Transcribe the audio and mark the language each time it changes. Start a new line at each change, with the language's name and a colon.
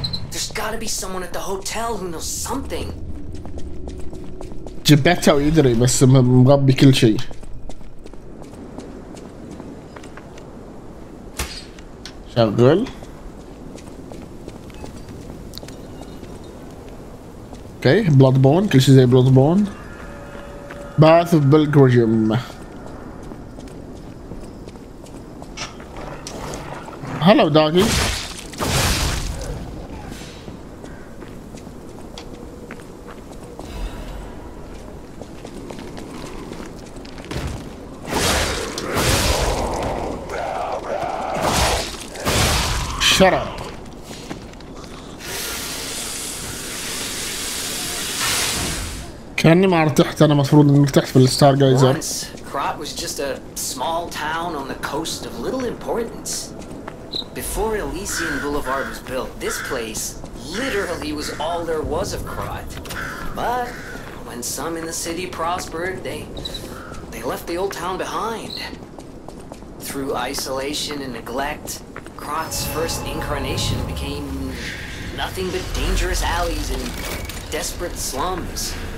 English: There's got to be someone at the hotel who knows something.
Arabic: جيبيتو يدري بس مغبي كل شيء. شغل. اوكي، بلود بون، كل شيء زي بلود بون. باث اوف بلجريم. هلو داغي. شرب. كأني ما ارتحت، انا مفروض اني ارتحت في الستار جايزر.
English: Kroth was just a small town on the coast of little importance. Before Elysian Boulevard was built, this place literally was all there was of Kroth. But when some in the city prospered, they left the old town behind. Through isolation and neglect, Kroth's first incarnation became nothing but dangerous alleys and desperate slums.